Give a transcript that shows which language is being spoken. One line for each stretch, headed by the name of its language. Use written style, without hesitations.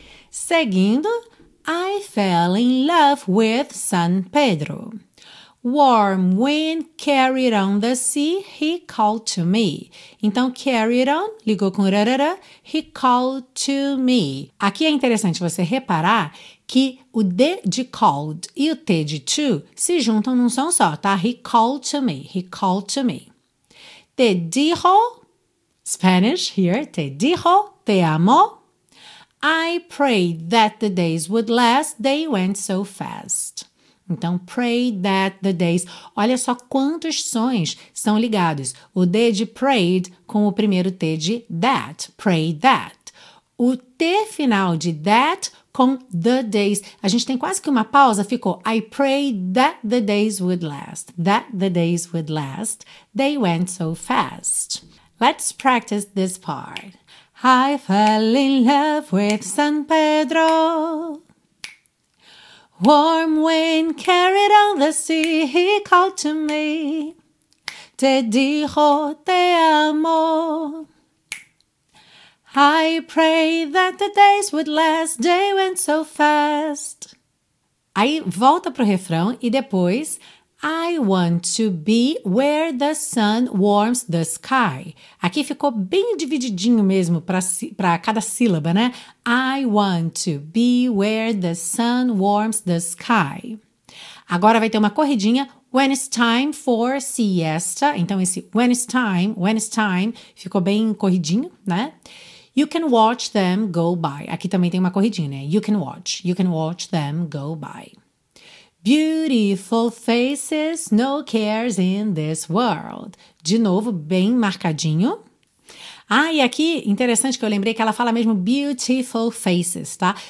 Portuguese: Seguindo,
English: I fell in love with San Pedro. Warm wind carried on the sea, he called to me.
Portuguese: Então,
English: carried on,
Portuguese: ligou com rarara,
English: he called to me.
Portuguese: Aqui é interessante você reparar que o D de called e o T de to se juntam num som só, tá?
English: He called to me, he called to me.
Spanish: Te dijo, Spanish here, te dijo, te amo.
English: I prayed that the days would last, they went so fast.
Portuguese: Então,
English: pray that the days.
Portuguese: Olha só quantos sons são ligados. O D de prayed com o primeiro T de that.
English: Pray that.
Portuguese: O T final de that com the days. A gente tem quase que uma pausa. Ficou
English: I pray that the days would last. That the days would last. They went so fast. Let's practice this part. I fell in love with San Pedro. Warm wind carried on the sea, he called to me.
Spanish: Te dijo, te amo.
English: I pray that the days would last, they went so fast.
Portuguese: Aí volta pro refrão e depois,
English: I want to be where the sun warms the sky.
Portuguese: Aqui ficou bem divididinho mesmo para cada sílaba, né?
English: I want to be where the sun warms the sky.
Portuguese: Agora vai ter uma corridinha.
English: When it's time for siesta.
Portuguese: Então esse
English: when it's time,
Portuguese: ficou bem corridinho, né?
English: You can watch them go by.
Portuguese: Aqui também tem uma corridinha, né?
English: You can watch them go by. Beautiful faces, no cares in this world.
Portuguese: De novo, bem marcadinho. Ah, e aqui, interessante que eu lembrei que ela fala mesmo
English: beautiful faces,
Portuguese: tá?